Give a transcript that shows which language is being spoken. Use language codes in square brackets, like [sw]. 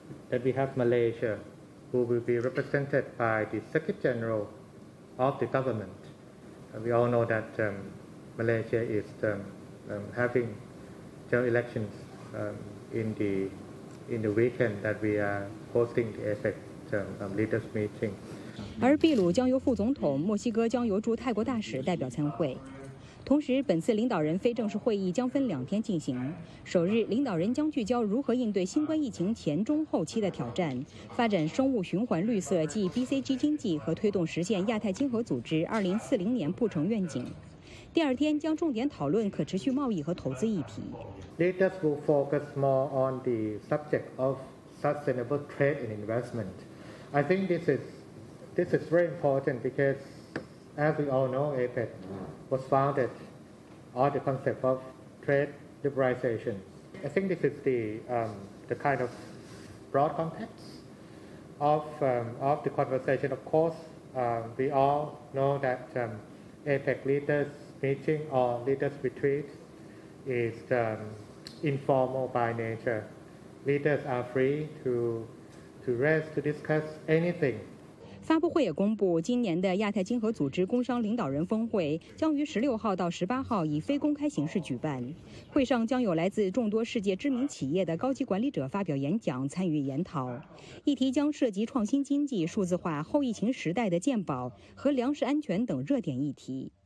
[en] Then we have Malaysia, who will be represented by the Secretary General of the government. We all know that Malaysia is having general elections in the weekend that we are hosting the ASEC leaders meeting. [zh] 而秘鲁将由副总统，墨西哥将由驻泰国大使代表参会。同时，本次领导人非正式会议将分两天进行。首日，领导人将聚焦如何应对新冠疫情前中后期的挑战，发展生物循环绿色及 BCG 经济和推动实现亚太经合组织2040年不成愿景。第二天将重点讨论可持续贸易和投资议题。 [en] Leaders will focus more on the subject of sustainable trade and investment. I think this is very important because, as we all know, APEC was founded on the concept of trade liberalization. I think this is the kind of broad context of the conversation. Of course, we all know that APEC leaders meeting or leaders retreat is informal by nature. Leaders are free to rest to discuss anything. [zh] 发布会也公布，今年的亚太经合组织工商领导人峰会将于16号到18号以非公开形式举办。会上将有来自众多世界知名企业的高级管理者发表演讲，参与研讨。议题将涉及创新经济、数字化、后疫情时代的健保和粮食安全等热点议题。